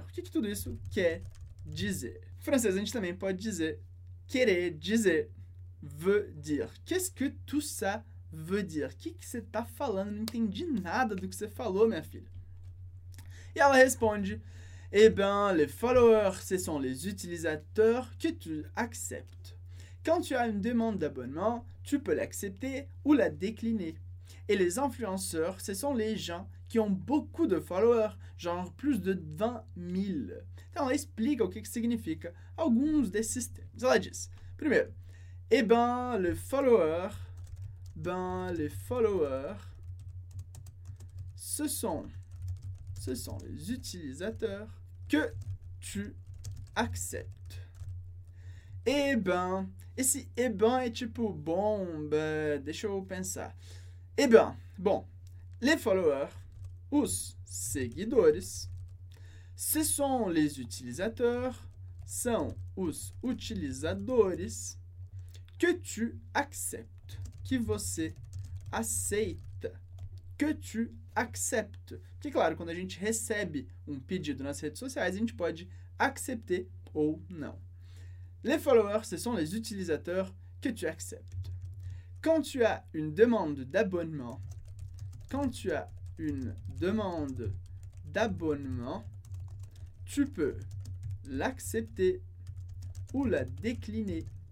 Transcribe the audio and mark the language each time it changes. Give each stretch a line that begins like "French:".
Portuguese: O que tudo isso quer dizer? Em francês, a gente também pode dizer, querer dizer,
French: veut dire. Qu'est-ce que tout ça veut dire?
Portuguese: O que você está falando? Não entendi nada do que você falou, minha filha. E ela responde,
French: eh bien, les followers, ce sont les utilisateurs que tu acceptes. Quand tu as une demande d'abonnement, tu peux l'accepter ou la décliner. Et les influenceurs, ce sont les gens qui ont beaucoup de followers, genre plus de 20 000.
Portuguese: Então, ela explica o que significa alguns desses termos. Ela diz, primeiro,
French: eh bien, les followers... Ben, les followers, ce sont les utilisateurs que tu acceptes. Eh ben, et si eh ben est
Portuguese: tipo
French: bon, ben,
Portuguese: deixa eu pensar.
French: Eh ben, bon, les followers,
Portuguese: os seguidores,
French: ce sont les utilisateurs,
Portuguese: são os utilizadores
French: que tu acceptes.
Portuguese: Que você aceita,
French: que tu accepte.
Portuguese: Porque, claro, quando a gente recebe um pedido nas redes sociais, a gente pode accepter ou não.
French: Les followers, ce sont les utilisateurs que tu acceptes. Quand tu as une demande d'abonnement, quand tu as une demande d'abonnement, tu peux l'accepter ou la décliner.